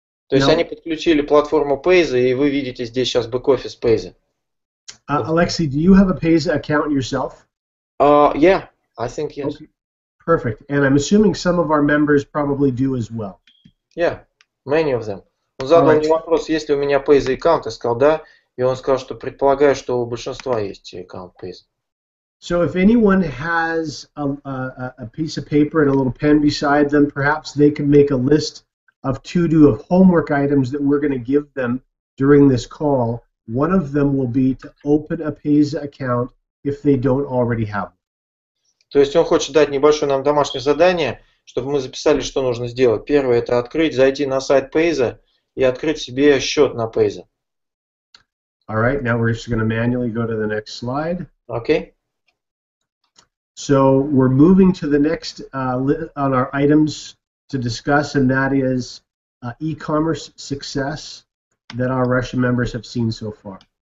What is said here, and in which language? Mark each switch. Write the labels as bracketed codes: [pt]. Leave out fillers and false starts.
[ru] То есть они подключили платформу Payza, и вы видите здесь сейчас back office Payza. [en] Alexey, do you have a Payza account yourself? Yeah, I think yes. Okay. Perfect. And I'm assuming some of our members probably do as well. Yeah, many of them. [ru] Он задал мне вопрос, есть ли у меня Payza аккаунт. Я сказал, да. И он сказал, что предполагаю, что у большинства есть аккаунт Payza. [en] So if anyone has a piece of paper and a little pen beside them, perhaps they can make a list of to-do of homework items that we're going to give them during this call. One of them will be to open a Payza account if they don't already have one. [ru] То есть он хочет дать небольшое нам домашнее задание, чтобы мы записали, что нужно сделать. Первое – это открыть, зайти на сайт Payza и открыть себе счет на Payza. [en] All right, now we're just going to manually go to the next slide. Okay. So we're moving to the next on our items to discuss, and that is e-commerce success that our Russian members have seen so far.